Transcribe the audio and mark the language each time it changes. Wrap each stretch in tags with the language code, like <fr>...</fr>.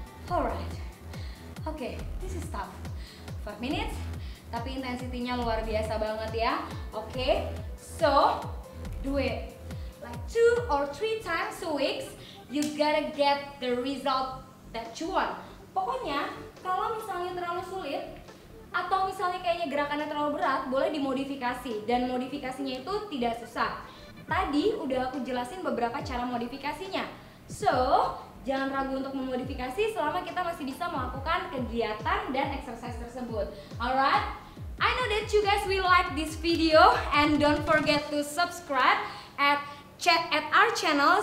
<en>Alright. Okay, this is tough. 5 minutes.</en> <id>Tapi intensitinya luar biasa banget ya.</id> <en>Okay, so do it like 2 or 3 times a week. You gotta get the result that you want.</en> <id>Pokoknya, kalau misalnya terlalu sulit atau misalnya kayaknya gerakannya terlalu berat, boleh dimodifikasi. Dan modifikasinya itu tidak susah. Tadi udah aku jelasin beberapa cara modifikasinya. So, jangan ragu untuk memodifikasi selama kita masih bisa melakukan kegiatan dan exercise tersebut.</id> <en>Alright? I know that you guys will like this video and don't forget to subscribe at our channel.</en>